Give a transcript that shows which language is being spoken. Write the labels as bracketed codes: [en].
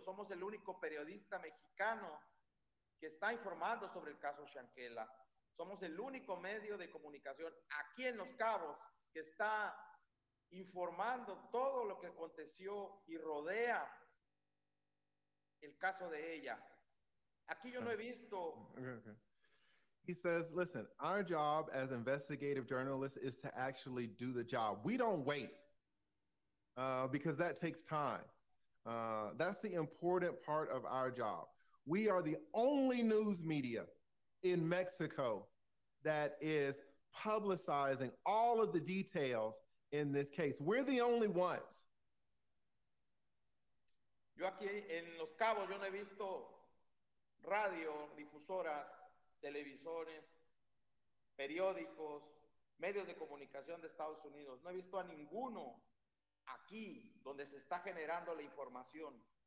[es] Somos el único periodista mexicano que está informando sobre el caso Shankela. Somos el único medio de comunicación aquí en Los Cabos que está informando todo lo que aconteció y rodea el caso de ella. Aquí yo no he visto. [en] He says, listen, our job as investigative journalists is to actually do the job. We don't wait. Because that takes time. That's the important part of our job. We are the only news media in Mexico that is publicizing all of the details in this case. We're the only ones. [es] Yo aquí en Los Cabos, yo no he visto radio, difusoras, televisores, periódicos, medios de comunicación de Estados Unidos. No he visto a ninguno aquí, donde se está generando la información.